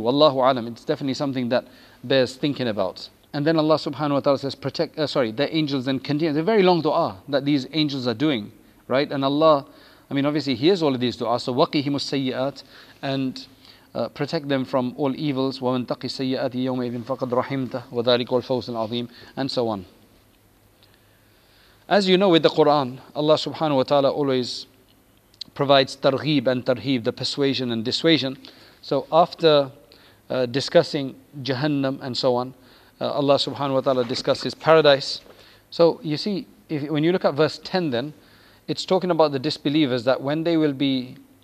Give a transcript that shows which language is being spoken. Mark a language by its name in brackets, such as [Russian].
[English] Wallahu alam, it's definitely something that bears thinking about. And then Allah subhanahu wa ta'ala says, the angels then continue. It's a very long dua that these angels are doing, right? And Allah, I mean, obviously, hears all of these dua. So, [Arabic] وَقِهِمُ السَّيِّئَاتِ, [English] and protect them from all evils. [Arabic] وَمَنْ تَقِي السَّيِّئَاتِ يَوْمَئِذٍ فَقَدْ رَحِمْتَهُ وَذَلِكَ الْفَوْزُ الْعَظِيمُ, [English] and so on. As you know, with the Quran, Allah subhanahu wa ta'ala always provides targhib and tarheeb, the persuasion and dissuasion. So after discussing Jahannam and so on, Allah subhanahu wa ta'ala discusses paradise. So you see, when you look at verse 10 then, it's talking about the disbelievers, that when they will be